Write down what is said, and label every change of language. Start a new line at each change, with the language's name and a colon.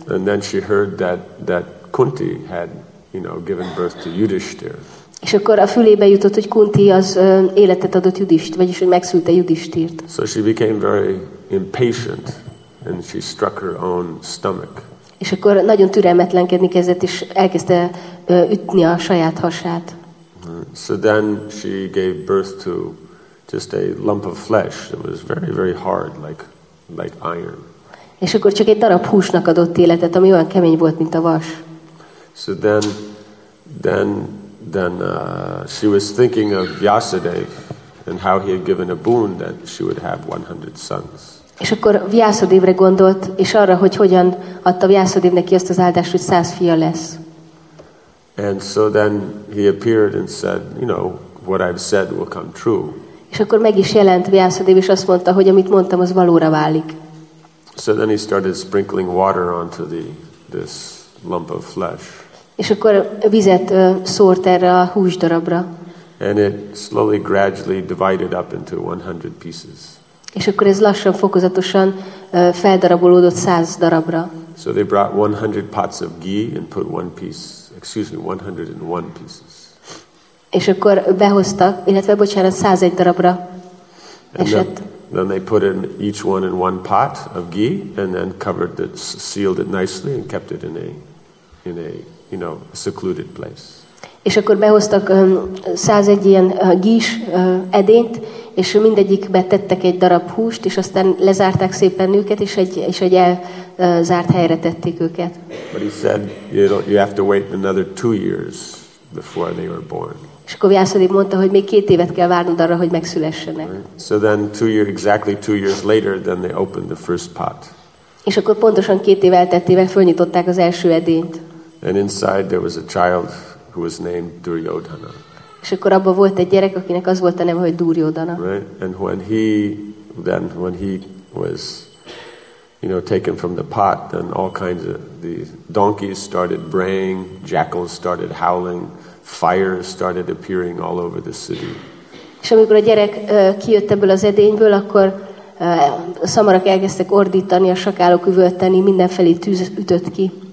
English: And then she heard that Kunti had, you know, given birth to Yudhishthira.
Hungarian: És akkor a fülébe jutott, hogy Kunti az életet adott Yudhishthira, vagyis hogy megszülte Yudhishthirt.
English: So she became very impatient and she struck her own stomach.
Hungarian: És akkor nagyon türelmetlenkedni kezdett, és elkezdte ütni a saját hasát.
English: So then she gave birth to just a lump of flesh that was very, very hard, like iron.
Hungarian: És akkor csak egy darab húsnak adott életet, ami olyan kemény volt, mint a vas.
English: So then she was thinking of Vyasadeva and how he had given a boon that she would have 100 sons.
Hungarian: És akkor Vyasadevre gondolt, és arra, hogy hogyan adta Vyasadev neki azt az áldást, hogy 100 fia lesz.
English: And so then he appeared and said, you know, what I've said will come true.
Hungarian: És akkor meg is jelent Vyasadev, és azt mondta, hogy amit mondtam, az valóra válik.
English: So then he started sprinkling water onto this lump of flesh.
Hungarian: És akkor vizet szórt erre a húsdarabra.
English: And it slowly gradually divided up into 100 pieces.
Hungarian: És akkor ez lassan fokozatosan feldarabolódott 100 darabra.
English: So they brought 100 pots of ghee and put 101 pieces.
Hungarian: És akkor behoztak, illetve bocsánat, 101 darabra esett.
English: Then they put in each one in one pot of ghee and then covered it, sealed it nicely and kept it in a you know, secluded place.
Hungarian: És akkor behoztak 101 ilyen gis edényt, és mindegyikbe tettek egy darab húst, és aztán lezárták szépen őket, és egy elzárt helyre tették őket.
English: But he said, you have to wait another 2 years before they were born.
Hungarian: És akkor Vyasadeva mondta, hogy még 2 évet kell várnod arra, hogy megszülessenek.
English: Right. So then exactly two years later, then they opened the first pot.
Hungarian: És akkor pontosan 2 év elteltével fölnyitották az első edényt.
English: And inside there was a child who was named Duryodhana.
Hungarian: És akkor abban volt egy gyerek, akinek az volt a neve, hogy Duryodhana.
English: Right? And when he was you know, taken from the pot, then all kinds of the donkeys started braying, jackals started howling, fires started appearing all over the city.
Hungarian: És amikor a gyerek kijött ebből az edényből, akkor a szamarak elkezdtek ordítani, a sakálok üvölteni, mindenfelé tűz ütött ki.